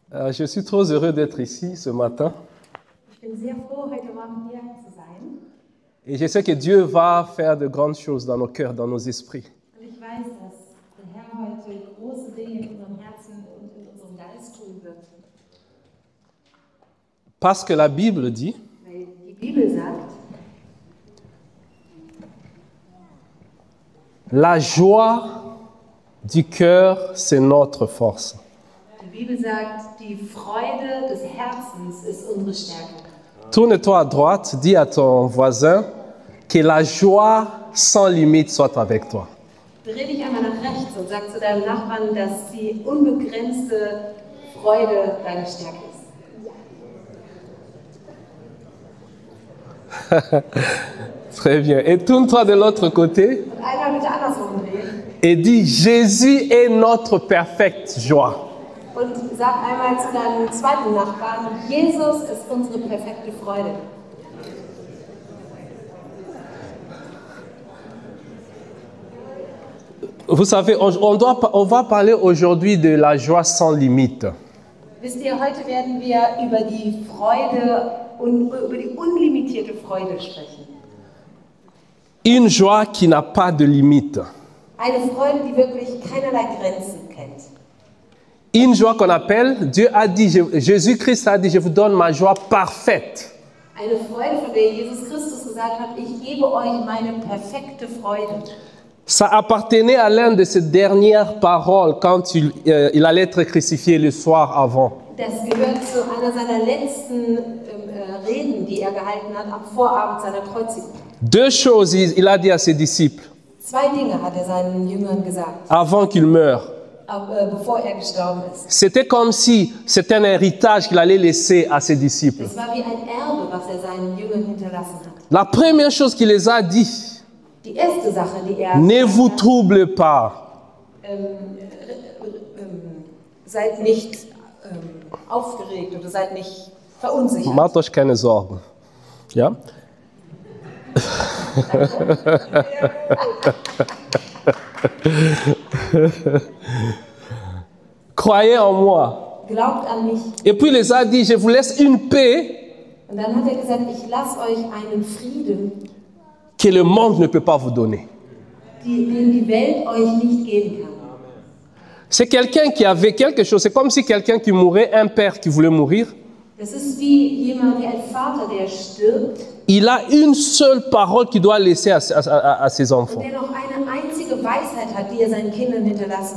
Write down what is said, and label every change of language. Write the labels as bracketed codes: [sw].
[fr] Je suis trop heureux d'être ici ce matin. [de] Ich bin sehr froh, heute Morgen hier zu sein. [fr] Et je sais que Dieu va faire de grandes choses dans nos cœurs, dans nos esprits. [de] Und ich weiß, dass der Herr heute große Dinge in unserem Herzen und in unserem Geist tun wird. [fr] Parce que la Bible dit, [de] weil die Bibel sagt, [fr] la joie du cœur, c'est notre force. [de] Die Bibel sagt, die Freude des Herzens ist unsere Stärke. [fr] Tourne-toi à droite, dis à ton voisin, que la joie sans limite soit avec toi. [de] Dreh dich einmal nach rechts und sag zu deinem Nachbarn, dass die unbegrenzte Freude deine Stärke ist. [fr] Très bien. Et tourne-toi de l'autre côté. [de] Und einmal bitte andersrum drehen. [fr] Et dis, Jésus est notre perfecte joie. [de] Und sag einmal zu deinem zweiten Nachbarn, Jesus ist unsere perfekte Freude. [fr] Vous savez, on va parler aujourd'hui de la joie sans limite. [de] Wisst ihr, heute werden wir über die Freude und über die unlimitierte Freude sprechen. [fr] Une joie qui n'a pas de limite. [de] Eine Freude, die wirklich keinerlei Grenzen kennt. [fr] Une joie qu'on appelle, Dieu a dit, Jésus-Christ a dit, je vous donne ma joie parfaite. [de] Eine Freude, von der Jesus Christus gesagt hat, ich gebe euch meine perfekte Freude. [fr] Ça appartenait à l'un de ses dernières paroles quand il allait être crucifié le soir avant. [de] Das gehört zu einer seiner letzten Reden, die gehalten hat am Vorabend seiner Kreuzigung. [fr] Deux choses il a dit à ses disciples. [de] Zwei Dinge hat seinen Jüngern gesagt. [fr] Avant qu'il meure. [de] Bevor gestorben ist. [fr] C'était comme si c'était un héritage qu'il allait laisser à ses disciples. [de] Es war wie ein Erbe, was seinen Jüngern hinterlassen hat. [fr] La première chose qu'il les a dit, [de] die erste Sache, die [fr] ne vous troublez pas. [de] Seid nicht aufgeregt oder seid nicht verunsichert. Macht euch keine Sorgen. Ja? [fr] Croyez en moi. [de] Glaubt an mich. [fr] Et puis il les a dit, je vous laisse une paix. [de] Und dann hat gesagt, ich lasse euch einen Frieden. [fr] Que le monde ne peut pas vous donner. [de] Die Welt euch nicht geben kann. [fr] C'est quelqu'un qui avait quelque chose. C'est comme si quelqu'un qui mourait, un père qui voulait mourir. [de] Das ist wie jemand, wie ein Vater, der stirbt. [fr] Il a une seule parole qu'il doit laisser à ses enfants. [de] Und der noch eine einzige Weisheit hat, die seinen Kindern hinterlassen.